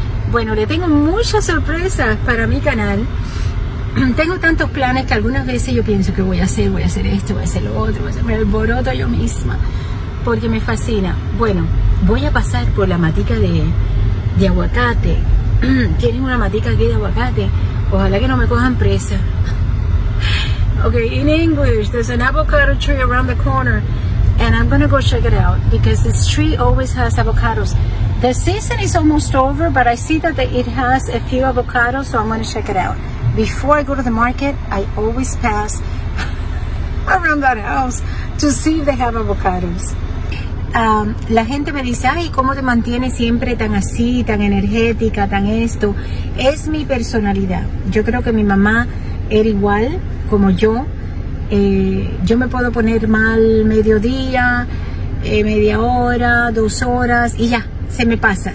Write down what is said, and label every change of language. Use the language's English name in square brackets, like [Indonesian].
[Spanish] Bueno, le tengo muchas sorpresas para mi canal. Tengo tantos planes que algunas veces yo pienso que voy a hacer esto, voy a hacer lo otro, me alboroto yo misma, porque me fascina. Bueno, voy a pasar por la matica de aguacate. Tienen una matica aquí de aguacate, ojalá que no me cojan presa. [English] Okay, in English, there's an avocado tree around the corner, and I'm gonna go check it out because this tree always has avocados. The season is almost over, but I see that it has a few avocados, so I'm going to check it out. Before I go to the market, I always pass around that house to see if they have avocados. [Spanish] La gente me dice, ay, ¿cómo te mantienes siempre tan así, tan energética, tan esto? Es mi personalidad. Yo creo que mi mamá era igual como yo. Yo me puedo poner mal mediodía, media hora, dos horas y ya, se me pasa.